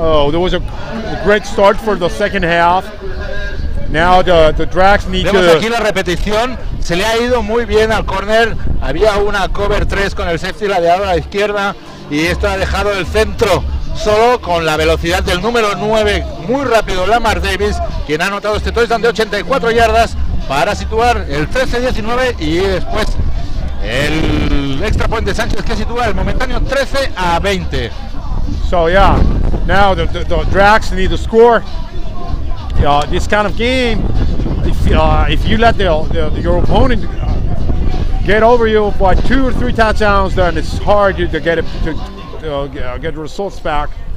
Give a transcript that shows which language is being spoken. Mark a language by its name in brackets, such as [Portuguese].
[English] There was a great start for the second half. Now the Drax need to. [Spanish] Vemos aquí la repetición. Se le ha ido muy bien al corner. Había una cover 3 con el safety ladeado a la izquierda y esto ha dejado el centro solo con la velocidad del número 9, muy rápido Lamar Davis, quien ha anotado este touchdown de 84 yardas para situar el 13-19 y después el extra point de Sánchez que sitúa el momentáneo 13-20. [English] So yeah, now the Drax need to score. This kind of game, if you let your opponent get over you by 2 or 3 touchdowns, then it's hard to get it to get results back.